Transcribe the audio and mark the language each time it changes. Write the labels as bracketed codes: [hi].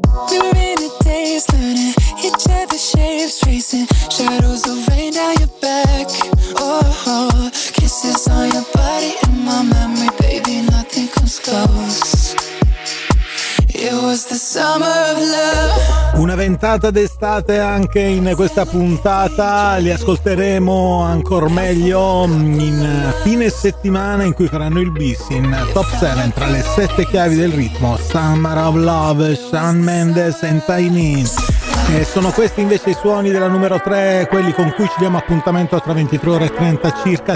[en] We're in a daze, learning each other's shapes, tracing shadows of rain down your back. Oh, kisses on your body in my memory, baby, nothing comes close. It was the summer of love. [it] Una ventata d'estate anche in questa puntata, li ascolteremo ancora meglio in fine settimana, in cui faranno il bis in top 7 tra le 7 chiavi del ritmo. [en] Summer of Love, Shawn Mendes and Tiny. [it] E sono questi invece i suoni della numero 3, quelli con cui ci diamo appuntamento tra 23 ore e 30 circa.